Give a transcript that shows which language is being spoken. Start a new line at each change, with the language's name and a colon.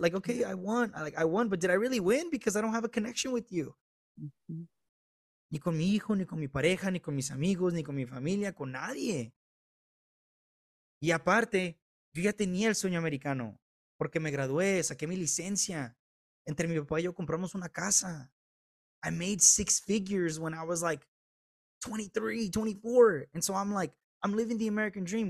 English: Like, okay, I won, but did I really win? Because I don't have a connection with you. Mm-hmm.
Spanish: Ni con mi hijo, ni con mi pareja, ni con mis amigos, ni con mi familia, con nadie. Y aparte, yo ya tenía el sueño americano, porque me gradué, saqué mi licencia. Entre mi papá y yo compramos una casa.
English: I made six figures when I was like 23, 24. And so I'm like, I'm living the American dream.